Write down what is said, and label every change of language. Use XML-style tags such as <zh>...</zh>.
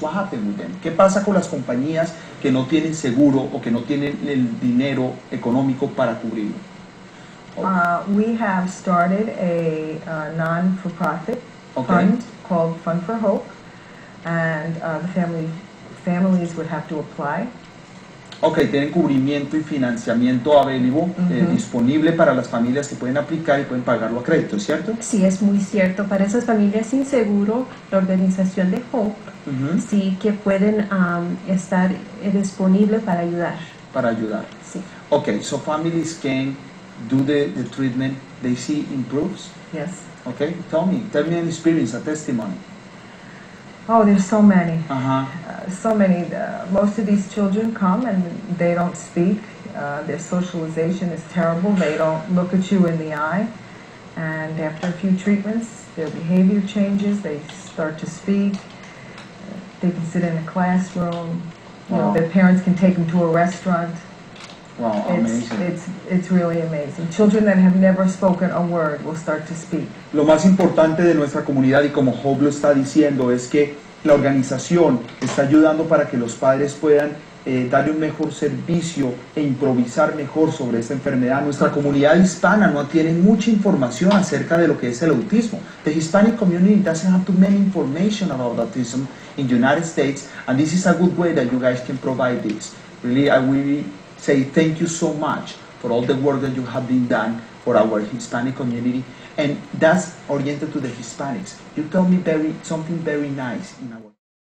<en>What happens with them?</en> <es>¿Qué pasa con las compañías que no tienen seguro o que no tienen el dinero económico para cubrirlo?</es> <en>We have started a non-for-profit fund called Fund for Hope, and the families would have to apply.</en> <es>Okay, tienen cubrimiento y financiamiento available disponible para las familias que pueden aplicar y pueden pagarlo a crédito, ¿cierto? Sí, es muy cierto. Para esas familias sin seguro, la organización de HOPE, sí que pueden estar disponible para ayudar. Para ayudar. Sí.</es> <en>Okay, so families can do the treatment, they see improves? Yes. Okay, tell me an experience, a testimony. Oh, there's so many. Uh-huh. Most of these children come and they don't speak. Their socialization is terrible. They don't look at you in the eye. And after a few treatments, their behavior changes. They start to speak. They can sit in a classroom. You know, their parents can take them to a restaurant. Wow, it's really amazing. Children that have never spoken a word will start to speak.</en> <es>Lo más importante de nuestra comunidad y como Hope lo está diciendo es que la organización está ayudando para que los padres puedan darle un mejor servicio e improvisar mejor sobre esta enfermedad. Nuestra comunidad hispana no tiene mucha información acerca de lo que es el autismo.</es> <en>The Hispanic community doesn't have too many information about autism in the United States, and this is a good way that you guys can provide this. Really, I will say thank you so much for all the work that you have been done for our Hispanic community, and that's oriented to the Hispanics. You told me something very nice in our</en>